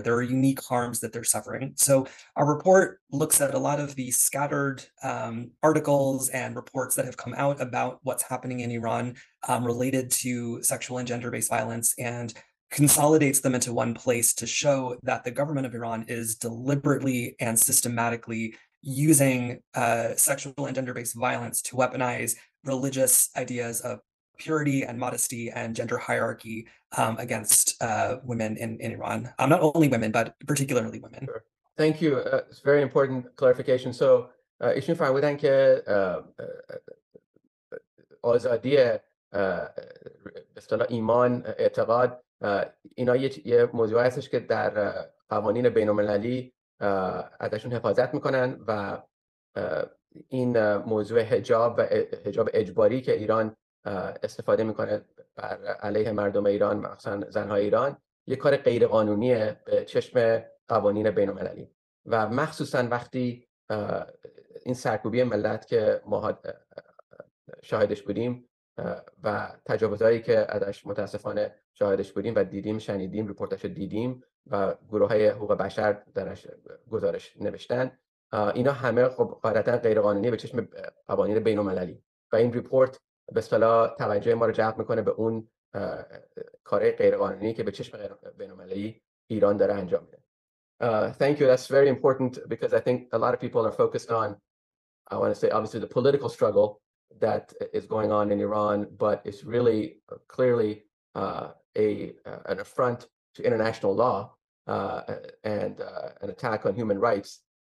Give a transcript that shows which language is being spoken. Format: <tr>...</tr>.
<en>There are unique harms that they're suffering. So our report looks at a lot of the scattered articles and reports that have come out about what's happening in Iran related to sexual and gender-based violence and consolidates them into one place to show that the government of Iran is deliberately and systematically using sexual and gender-based violence to weaponize religious ideas of purity and modesty and gender hierarchy against women in Iran. Not only women, but particularly women. Sure. Thank you. It's very important clarification.</en> <fa>So, ishun farmudan ke azadi bistala iman etiqad ina ye mozi hastesh ke dar qawanin bain-ul-millali ازشون حفاظت میکنن و این موضوع حجاب و حجاب اجباری که ایران استفاده میکنه بر علیه مردم ایران مخصوصا زنهای ایران یک کار غیر قانونیه به چشم قوانین بین المللی و مخصوصا وقتی این سرکوبی ملت که ما شاهدش بودیم و تجاوزهایی که ازش متاسفانه شاهدش بودیم و دیدیم شنیدیم رپورتش دیدیم و گروه های حقوق بشر درش گزارش نوشتن اینا همه خب غالبا غیر قانونی به چشم قوانین بین المللی و این رپورت به اصطلاح توجه ما رو جلب میکنه به اون کارهای غیر قانونی که به چشم بین المللی ایران داره انجام میده.</fa> <en>Thank you, that's very important because I think a lot of people are focused on, I want to say obviously the political struggle that is going on in Iran, but it's really clearly an affront to international law and an attack on human rights.</en>